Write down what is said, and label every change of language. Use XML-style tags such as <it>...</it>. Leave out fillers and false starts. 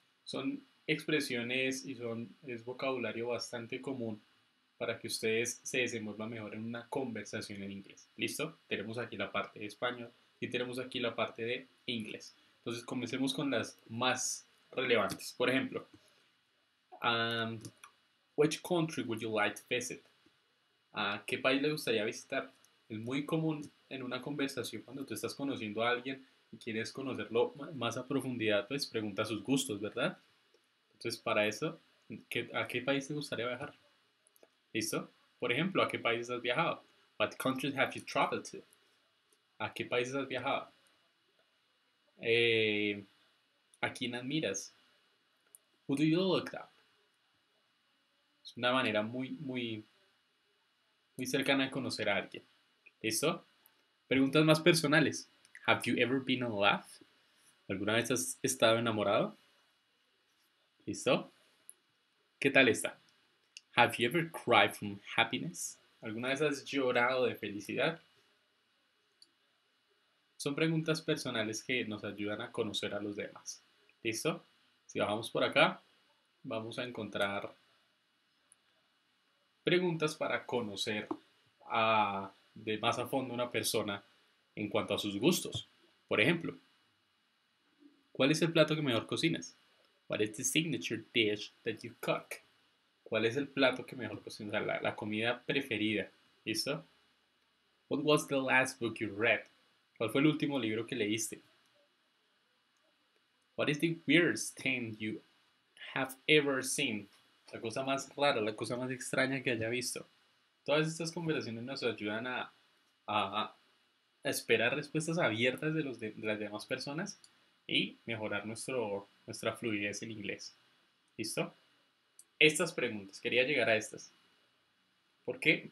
<es>Son expresiones y es vocabulario bastante común para que ustedes se desenvuelvan mejor en una conversación en inglés, ¿listo? Tenemos aquí la parte de español y tenemos aquí la parte de inglés. Entonces, comencemos con las más relevantes. Por ejemplo,</es> <en>which country would you like to visit?</en> <es>¿Qué país le gustaría visitar? Es muy común en una conversación cuando tú estás conociendo a alguien y quieres conocerlo más a profundidad, pues pregunta sus gustos, ¿verdad? Entonces, para eso, ¿a qué país te gustaría viajar? ¿Listo? Por ejemplo, ¿a qué países has viajado?</es> <en>What countries have you traveled to?</en> <es>¿A qué países has viajado? ¿A quién admiras?</es> <en>Who do you look at?</en> <es>Es una manera muy, muy, muy cercana de conocer a alguien. ¿Listo? Preguntas más personales.</es> <en>Have you ever been in love?</en> <es>¿Alguna vez has estado enamorado? ¿Listo? ¿Qué tal está?</es> <en>Have you ever cried from happiness?</en> <es>¿Alguna vez has llorado de felicidad? Son preguntas personales que nos ayudan a conocer a los demás. ¿Listo? Si bajamos por acá, vamos a encontrar preguntas para conocer de más a fondo una persona en cuanto a sus gustos. Por ejemplo, ¿cuál es el plato que mejor cocinas?</es> <en>What is the signature dish that you cook?</en> <es>¿Cuál es el plato que mejor cocinas? La comida preferida. ¿Listo?</es> <en>What was the last book you read?</en> <es>¿Cuál fue el último libro que leíste?</es> <en>What is the weirdest thing you have ever seen?</en> <es>La cosa más rara, la cosa más extraña que haya visto. Todas estas conversaciones nos ayudan a esperar respuestas abiertas de las demás personas y mejorar nuestra fluidez en inglés. ¿Listo? Estas preguntas, quería llegar a estas. ¿Por qué?</es>